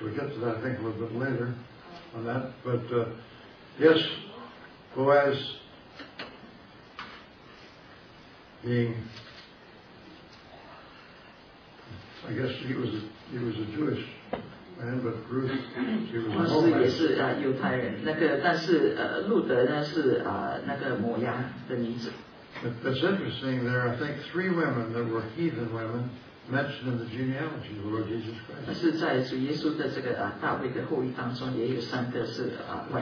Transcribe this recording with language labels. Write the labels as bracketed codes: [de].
[en] We'll get to that, I think, a little bit later on that. But yes, Boaz being, I guess he was a Jewish man, but Ruth, she was a Moabite. [zh] 也是犹太人，那个但是路德那是那个摩押的名字。 [en] It's interesting. There are, I think, three women that were heathen women mentioned in the genealogy of the Lord Jesus Christ. [zh] 但是在主耶稣的这个大卫的后裔当中，也有三个是外邦。